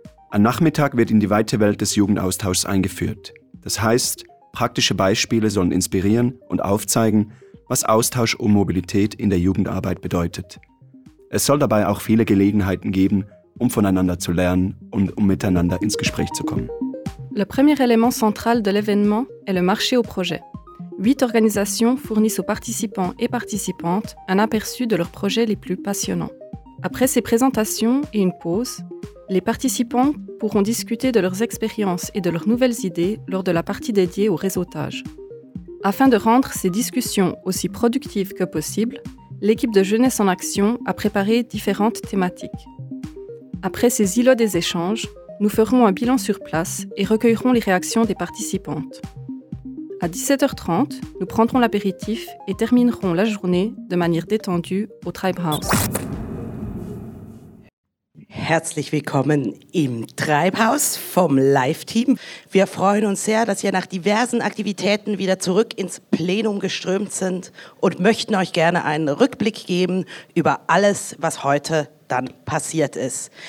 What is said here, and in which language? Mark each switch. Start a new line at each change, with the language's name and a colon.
German: Am Nachmittag wird in die weite Welt des Jugendaustauschs eingeführt. Das heißt, praktische Beispiele sollen inspirieren und aufzeigen, was Austausch und Mobilität in der Jugendarbeit bedeutet. Es soll dabei auch viele Gelegenheiten geben, um voneinander zu lernen und um miteinander ins Gespräch zu kommen.
French: Le premier élément central de l'événement est le marché au projet. 8 organisations fournissent aux participants et participantes un aperçu de leurs projets les plus passionnants. Après ces présentations et une pause, les participants pourront discuter de leurs expériences et de leurs nouvelles idées lors de la partie dédiée au réseautage. Afin de rendre ces discussions aussi productives que possible, l'équipe de Jeunesse en Action a préparé différentes thématiques. Après ces îlots des échanges, nous ferons un bilan sur place et recueillerons les réactions des participantes. À 17h30, nous prendrons l'apéritif et terminerons la journée de manière détendue au Tribe House.
German: Herzlich willkommen im Treibhaus vom Live-Team. Wir freuen uns sehr, dass ihr nach diversen Aktivitäten wieder zurück ins Plenum geströmt sind und möchten euch gerne einen Rückblick geben über alles, was heute dann passiert ist.